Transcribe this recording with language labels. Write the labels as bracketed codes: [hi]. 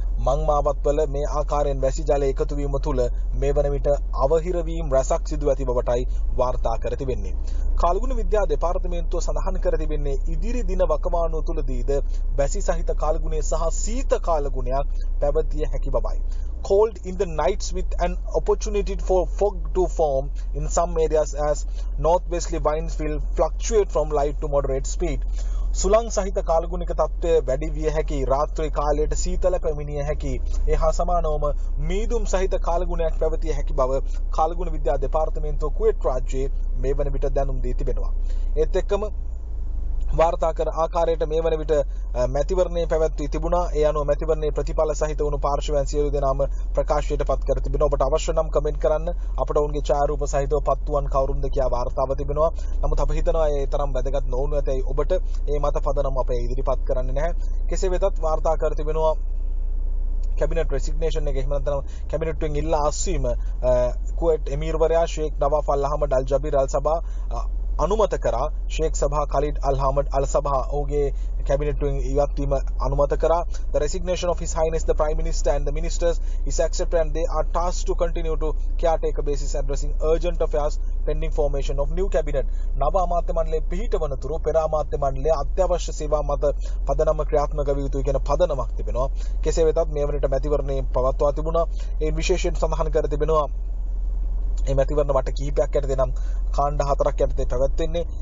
[si] මං මාවත්වල මේ ආකාරයෙන් වැසි ජලය එකතු වීම තුළ මේ වන විට අවහිර වීම් රැසක් සිදු ඇති බවටයි වාර්තා කර තිබෙන්නේ. කාලගුණ විද්‍යා දෙපාර්තමේන්තුව සඳහන් කර තිබෙන්නේ ඉදිරි දින වකවානුව තුළදීද වැසි සහිත කාලගුණය සහ සීත කාලගුණයක් පැවතිය හැකි බවයි. [en] Cold in the nights with an opportunity for fog to form in some areas as northwesterly winds will fluctuate from light to moderate speed. [si] සුළං සහිත කාලගුණික තත්ත්වය වැඩි විය හැකි, රාත්‍රී කාලයට සීතල පැමිණිය හැකි, ඒ හා සමානවම මීදුම් සහිත කාලගුණයක් පැවතිය හැකි බව කාලගුණ විද්‍යා දෙපාර්තමේන්තුව කුවේට් රාජ්‍යයේ මේ වන විට දැනුම් දී තිබෙනවා. ඒත් එක්කම වාර්තා කර ආකාරයට මේ වන විට මැතිවරණයේ පැවැත්වී තිබුණා. ඒ අනුව මැතිවරණයේ ප්‍රතිඵල සහිත වුණු පාර්ශ්වයන් සියලු දෙනාම ප්‍රකාශයට පත් කර තිබෙනවා. ඔබට අවශ්‍ය නම් කමෙන්ට් කරන්න අපට ඔවුන්ගේ ඡායාරූප සහිතව පත්තුවන් කවුරුන්ද කියා වාර්තාව තිබෙනවා. නමුත් අප හිතනවා ඒ තරම් වැදගත් නොවනු ඇතැයි ඔබට. ඒ මත පදනම් අපේ ඉදිරිපත් කරන්නේ නැහැ. කෙසේ වෙතත් වාර්තා කර තිබෙනවා කැබිනට් රෙසිග්නේෂන් එක, එහෙම නැත්නම් කැබිනට්ෙන් ඉල්ලා අස්වීම. කුවෙට් එමීර්වරයා ෂේක් නවාෆ් අල්හම ඩල් ජබීර් අල් සබා අනුමත කරා. ෂේක් සභා ඛලීඩ් අල් හමඩ් අල් සභා ඔහුගේ කැබිනට්ෙන් ඉවත් වීම අනුමත කරා. [en] The resignation of his highness the prime minister and the ministers is accepted and they are tasked to continue to caretaker basis addressing urgent affairs pending formation of new cabinet. [si] නව අමාත්‍ය මණ්ඩලයේ පිහිටවනතුරු පෙර අමාත්‍ය මණ්ඩලයේ අත්‍යවශ්‍ය සේවා මත පදනම ක්‍රියාත්මක විය යුතුයි කියන පදනමක් තිබෙනවා. කෙසේ වෙතත් මේ වනට මැතිවරණය පවත්වා තිබුණා. ඒ විශේෂයෙන් සඳහන් කර තිබෙනවා ඒ මැතිවරණ වට කිහිපයක් යටතේ නම් කාණ්ඩ හතරක් යටතේ පැවැත්වෙන්නේ.